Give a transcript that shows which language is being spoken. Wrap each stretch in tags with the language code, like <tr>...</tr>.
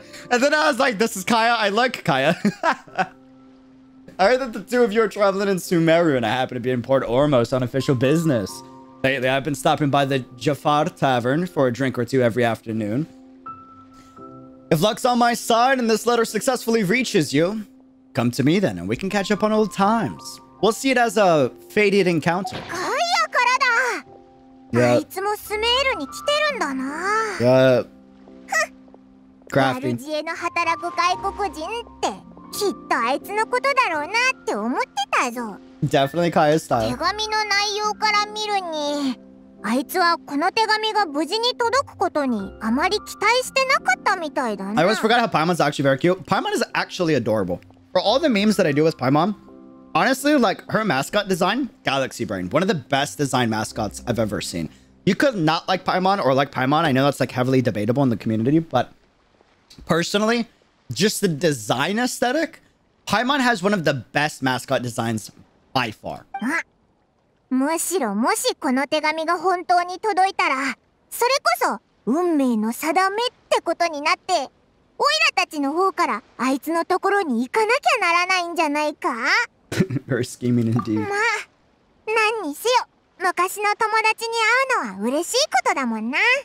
<en>And then I was like, this is Kaya. I like Kaya. I heard that the two of you are traveling in Sumeru and I happen to be in Port Ormos on official business. Lately, I've been stopping by the Jafar Tavern for a drink or two every afternoon. If luck's on my side and this letter successfully reaches you,Come to me then, and we can catch up on old times. We'll see it as a fated encounter.</en> <ja>Kaya からだ!</ja> <en>Yeah.</en> <ja>あいつもスメールに来てるんだな。</ja> <en>Yeah. Crafty.</en> <ja>悪知恵の働く外国人ってきっとあいつのことだろうなって思ってたぞ。</ja> <en>Definitely Kaya's style.</en> <ja>手紙の内容から見るに、あいつはこの手紙が無事に届くことにあまり期待してなかったみたいだな。</ja> <en>I always forgot how Paimon's actually very cute. Paimon is actually adorable. For all the memes that I do with Paimon, honestly, like her mascot design, Galaxy Brain, one of the best design mascots I've ever seen. You could not like Paimon or like Paimon. I know that's like heavily debatable in the community, but personally, just the design aesthetic, Paimon has one of the best mascot designs by far.</en> <ja>むしろもしこの手紙が本当に届いたら、それこそ運命の定めってことになって、オイラたちの方からあいつのところに行かなきゃならないんじゃないか?</ja> <en>Very scheming indeed.</en> <ja>まあ、何にせよ、昔の友達に会うのは嬉しいことだもんな。</ja>